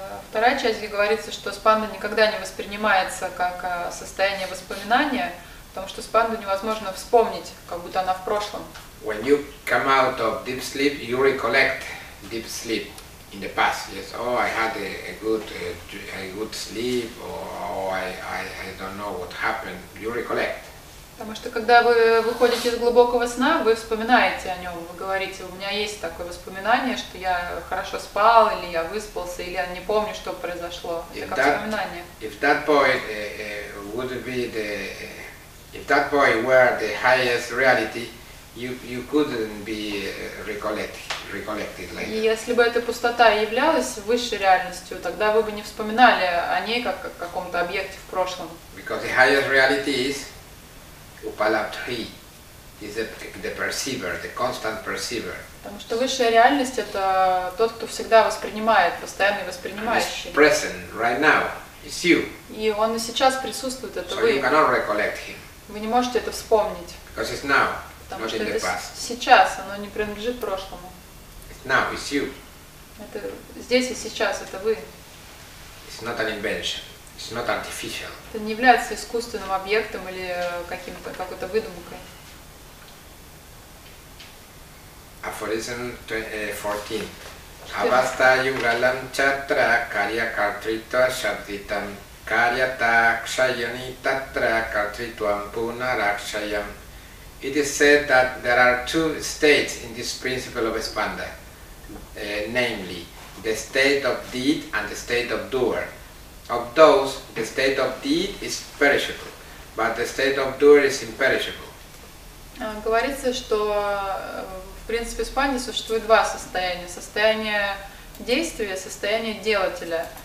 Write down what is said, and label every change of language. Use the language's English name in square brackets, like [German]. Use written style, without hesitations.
[Russian] Вторая часть, где говорится, что спанда никогда не воспринимается как состояние воспоминания, потому что спанду невозможно вспомнить, как будто она в прошлом. [English] When you come out of deep sleep, you recollect deep sleep in the past. Yes. Oh, I had a good sleep, or I don't know what happened. You recollect. [Russian] Потому что когда вы выходите из глубокого сна, вы вспоминаете о нем, вы говорите, у меня есть такое воспоминание, что я хорошо спал, или я выспался, или я не помню, что произошло. Это как вспоминание. [English] If that point would be the, if that point were the highest reality, you couldn't be recollected like that. [Russian] Если бы эта пустота являлась высшей реальностью, тогда вы бы не вспоминали о ней как о каком-то объекте в прошлом. [English] Because the highest reality is Upalabdhi is the perceiver, the constant perceiver. [Russian] Потому что высшая реальность — это тот, кто всегда воспринимает, постоянный воспринимающий. [English] Present right now, it's you. [Russian] И он и сейчас присутствует, это [English] so [Russian] вы. [English] So you cannot recollect him. [Russian] Вы не можете это вспомнить. [English] Because it's now, [Russian] потому [English] not [Russian] что [English] in the [Russian] это [English] past. [Russian] Сейчас, оно не принадлежит прошлому. [English] It's now, it's you. [Russian] Это здесь и сейчас, это вы. [English] It's not an invention. It's not artificial. [Russian] Это не является искусственным объектом или какой-то выдумкой. [English] Aphorism 14. [Sanskrit] Avastha yugalam chatra karya kartritva shabditam karyata kshayani tatra kartritvam punarakshayam. [English] It is said that there are two states in this principle of spanda, namely the state of deed and the state of doer. Of those, the state of deed is perishable, but the state of doer is imperishable. [Russian] Говорится, что в принципе в спанде существует два состояния. Состояние действия и состояние делателя.